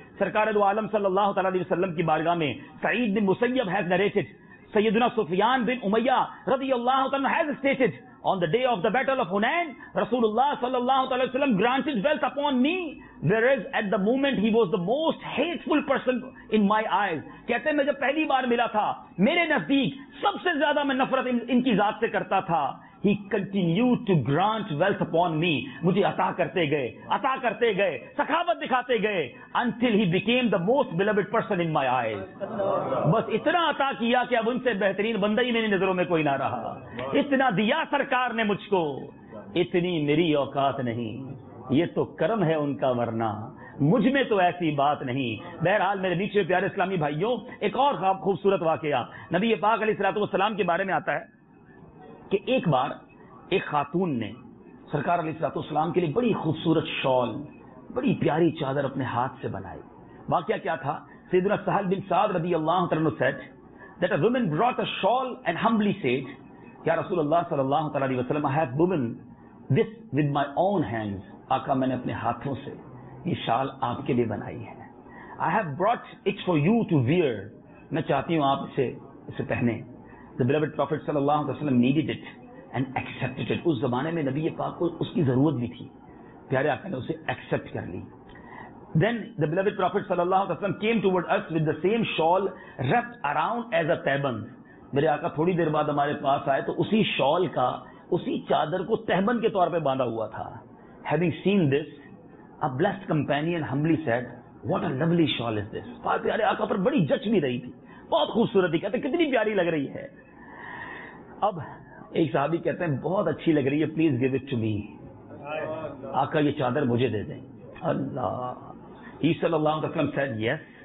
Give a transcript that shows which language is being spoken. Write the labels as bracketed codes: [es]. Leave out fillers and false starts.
[ur] سرکار دو عالم صلی اللہ تعالی علیہ وسلم کی بارگاہ میں [en] Saeed بن Musayyib has narrated, سیدنا Sufyan بن امیہ رضی اللہ عنہ has stated on the day of the battle of Hunain, Rasulullah sallallahu alaihi wasallam granted wealth upon me, whereas at the moment he was the most hateful person in my eyes. [ur] کہتے ہیں میں جب پہلی بار ملا تھا میرے نزدیک سب سے زیادہ میں نفرت ان کی ذات سے کرتا تھا. [en] He continued to grant wealth upon me. [ur] مجھے عطا کرتے گئے سخاوت دکھاتے گئے. [en] Until he became the most beloved person in my eyes. [ur] بس اتنا عطا کیا کہ اب ان سے بہترین بندہ ہی میری نظروں میں کوئی نہ رہا. اتنا دیا سرکار نے مجھ کو، اتنی میری اوقات نہیں. یہ تو کرم ہے ان کا، ورنہ مجھ میں تو ایسی بات نہیں. بہرحال میرے نیچے پیارے اسلامی بھائیوں، ایک اور خوبصورت واقعہ نبی پاک علیہ الصلوۃ والسلام کے بارے میں آتا ہے کہ ایک بار ایک خاتون نے سرکار علیہ الصلوۃ والسلام کے لیے بڑی خوبصورت شال، بڑی پیاری چادر اپنے ہاتھ سے بنائی. واقعہ کیا تھا، [en] سیدنا سہل بن سعد رضی اللہ عنہ said that a woman brought a shawl and humbly said, یا رسول اللہ صلی اللہ علیہ وسلم, I have woven this with my own hands. [ur] آقا میں نے اپنے ہاتھوں سے یہ شال آپ کے لیے بنائی ہے. [en] I have brought it for you to wear. [ur] میں چاہتی ہوں آپ اسے پہنے. [en] The beloved Prophet صلی اللہ علیہ وسلم needed it and accepted it. [ur] اس زمانے میں نبی پاک کو اس کی ضرورت بھی تھی، پیارے آقا نے اسے accept کر لی. [en] Then the beloved Prophet صلی اللہ علیہ وسلم came toward us with the same shawl wrapped around as a tehband. [ur] میرے آقا تھوڑی دیر بعد ہمارے پاس آئے تو اسی شال کا، اسی چادر کو تہبند کے طور پہ باندھا ہوا تھا. [en] Having seen this, a blessed companion humbly said, what a lovely shawl is this. [ur] پیارے آقا پر بڑی جچ بھی رہی تھی، بہت خوبصورت ہی، کہتے ہیں کتنی پیاری لگ رہی ہے. اب ایک صحابی کہتے ہیں بہت اچھی لگ رہی ہے، [en] please give it to me, [ur] آقا یہ چادر مجھے دے دیں. [en] اللہ، ہی صلی اللہ علیہ وسلم said yes.